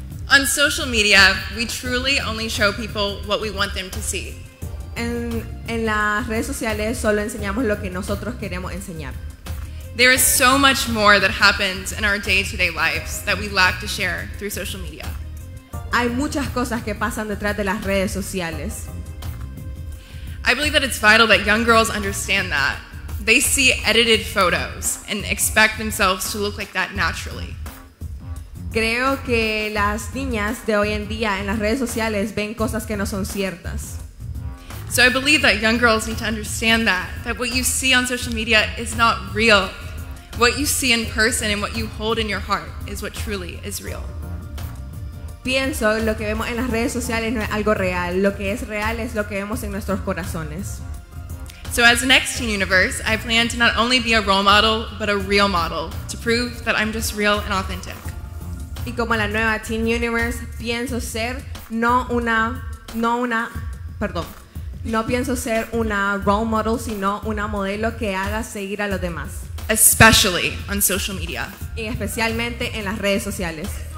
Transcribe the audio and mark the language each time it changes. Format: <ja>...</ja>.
<en>On social media, we truly only show people what we want them to see.</en> <es>En las redes sociales solo enseñamos lo que nosotros queremos enseñar.</es> <en>There is so much more that happens in our day-to-day lives that we lack to share through social media.</en> <es>Hay muchas cosas que pasan detrás de las redes sociales.</es> <en>I believe that it's vital that young girls understand that. They see edited photos and expect themselves to look like that naturally.</en> <es>Creo que las niñas de hoy en día en las redes sociales ven cosas que no son ciertas.</es> <en>So I believe that young girls need to understand that what you see on social media is not real. What you see in person and what you hold in your heart is what truly is real.</en> <es>Pienso lo que vemos en las redes sociales no es algo real. Lo que es real es lo que vemos en nuestros corazones.</es> <en>So as the next Teen Universe, I plan to not only be a role model, but a real model, to prove that I'm just real and authentic.</en> <es>Y como la nueva Teen Universe, pienso ser no pienso ser una role model, sino una modelo que haga seguir a los demás.</es> <en>Especially on social media.</en> <es>Y especialmente en las redes sociales.</es>